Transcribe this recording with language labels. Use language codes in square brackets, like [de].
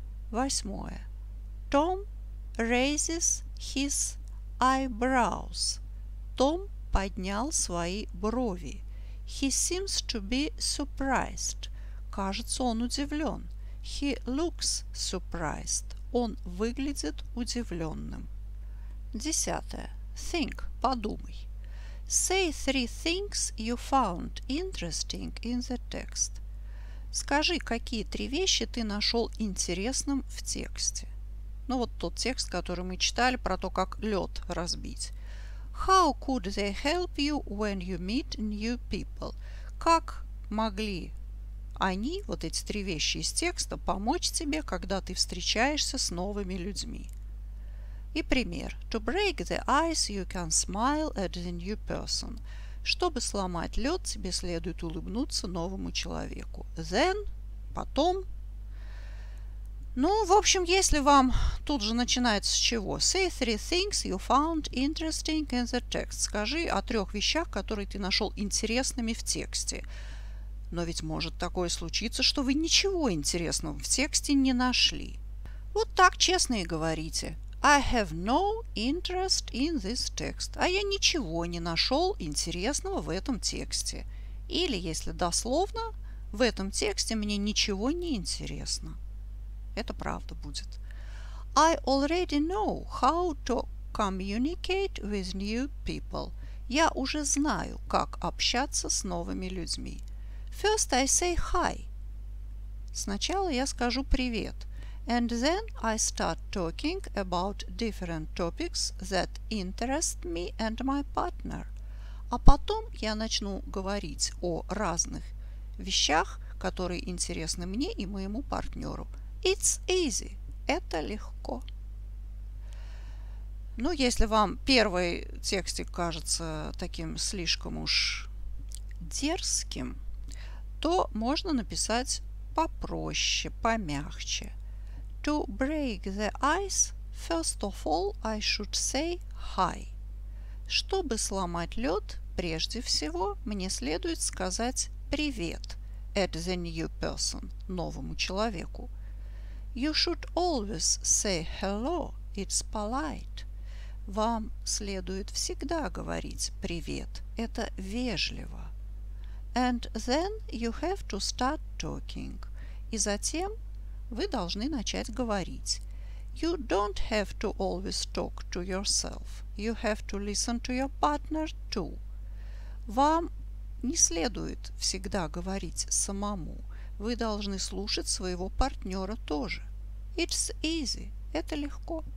[ru] Восьмое. [en] Tom raises his eyebrows. [ru] Том поднял свои брови. [en] He seems to be surprised. [ru] Кажется, он удивлен. [en] He looks surprised. [ru] Он выглядит удивленным. Десятое. [en] Think. [ru] Подумай. [en] Say three things you found interesting in the text. [ru] Скажи, какие три вещи ты нашел интересным в тексте. Ну вот тот текст, который мы читали про то, как лед разбить. [en] How could they help you when you meet new people? [ru] Как могли они, вот эти три вещи из текста, помочь тебе, когда ты встречаешься с новыми людьми? И пример. [en] To break the ice, you can smile at the new person. [ru] Чтобы сломать лед, тебе следует улыбнуться новому человеку. [en] Then, [ru] потом. Ну, в общем, если вам тут же начинается с чего? [en] Say three things you found interesting in the text. [ru] Скажи о трех вещах, которые ты нашел интересными в тексте. Но ведь может такое случиться, что вы ничего интересного в тексте не нашли. Вот так честно и говорите. [en] I have no interest in this text. [ru] А я ничего не нашел интересного в этом тексте. Или, если дословно, в этом тексте мне ничего не интересно. Это правда будет. [en] I already know how to communicate with new people. [ru] Я уже знаю, как общаться с новыми людьми. [en] First I say hi. [ru] Сначала я скажу привет. [en] And then I start talking about different topics that interest me and my partner. [ru] А потом я начну говорить о разных вещах, которые интересны мне и моему партнеру. [en] It's easy. [ru] Это легко. Ну, если вам первый текстик кажется таким слишком уж дерзким, то можно написать попроще, помягче. [en] To break the ice, first of all, I should say hi. [ru] Чтобы сломать лед, прежде всего, мне следует сказать привет [en] at the new person, [ru] новому человеку. [en] You should always say hello, it's polite. [ru] Вам следует всегда говорить привет, это вежливо. [en] And then you have to start talking. [ru] И затем вы должны начать говорить. [en] You don't have to always talk to yourself. You have to listen to your partner too. [ru] Вам не следует всегда говорить самому. Вы должны слушать своего партнера тоже. [en] It's easy. [ru] Это легко.